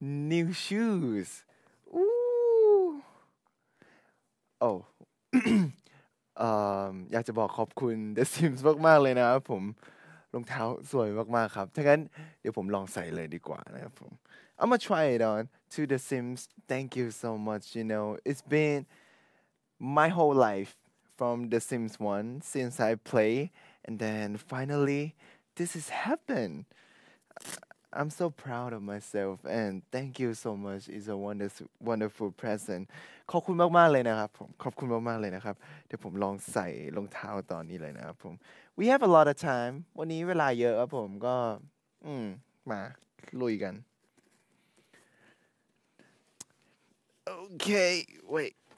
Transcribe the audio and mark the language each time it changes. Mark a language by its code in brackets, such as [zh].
[en] New shoes! Ooh! [th] Oh อยากจะบอกขอบคุณ The Sims มากๆเลยนะครับผม รองเท้าสวยมากๆครับ ถ้างั้นเดี๋ยวผมลองใส่เลยดีกว่านะครับผม [en] I'm gonna try it on to The Sims. Thank you so much. You know, it's been my whole life from The Sims 1 since I play, and then finally, this has happened. I'm so proud of myself, and thank you so much. It's a wonderful present. [th] ขอบคุณมากๆเลยนะครับผมขอบคุณมากๆเลยนะครับเดี๋ยวผมลองใส่รองเท้าตอนนี้เลยนะครับผม [en] We have a lot of time. [th] วันนี้เวลาเยอะครับผมก็มาลุยกัน [en] Okay, wait.